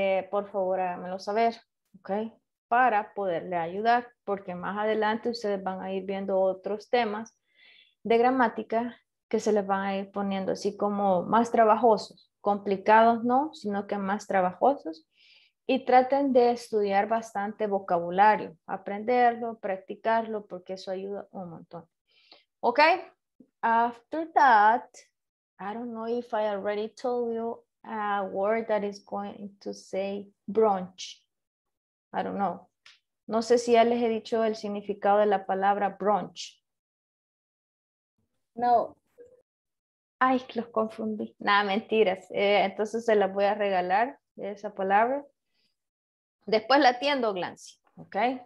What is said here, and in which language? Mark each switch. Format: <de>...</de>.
<es>por favor háganmelo saber, ok, para poderle ayudar, porque más adelante ustedes van a ir viendo otros temas de gramática que se les van a ir poniendo así como más trabajosos, complicados no, sino que más trabajosos, y traten de estudiar bastante vocabulario, aprenderlo, practicarlo, porque eso ayuda un montón.</es> <en>Ok, after that, I don't know if I already told you a word that is going to say brunch. I don't know.</en> <es>No sé si ya les he dicho el significado de la palabra brunch. No. Ay, los confundí. Nada, mentiras. Entonces se las voy a regalar, esa palabra. Después la atiendo, Glancy. Ok.</es>